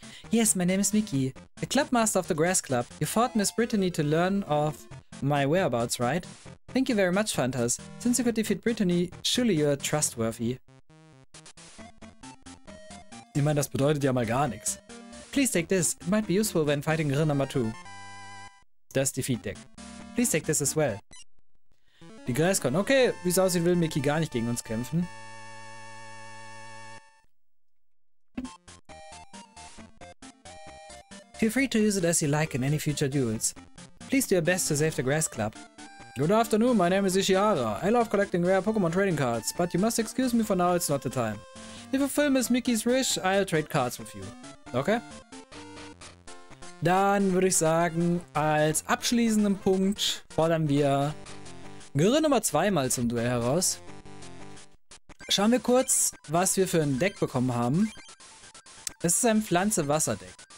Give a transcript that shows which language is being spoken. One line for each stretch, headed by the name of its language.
English: Yes, my name is Mickey, the clubmaster of the Grass Club. You fought Miss Brittany to learn of my whereabouts, right? Thank you very much, Fantas. Since you could defeat Brittany, surely you are trustworthy.
German: Ich meine, das bedeutet ja mal gar nichts.
English: Please take this. It might be useful when fighting Grin Number 2.
German: Das Defeat-Deck.
English: Please take this as well.
German: Die Grasscon. Okay, wie es aussieht, will Mickey gar nicht gegen uns kämpfen.
English: Feel free to use it as you like in any future duels. Please do your best to save the Grass Club. Good afternoon, my name is Ishihara. I love collecting rare Pokemon trading cards, but you must excuse me for now, it's not the time. If you fulfill Miss Mickey's wish, I'll trade cards with you. Okay?
German: Dann würde ich sagen, als abschließenden Punkt fordern wir Gerü Nummer 2 mal zum Duell heraus. Schauen wir kurz, was wir für ein Deck bekommen haben. Es ist ein Pflanze-Wasser-Deck.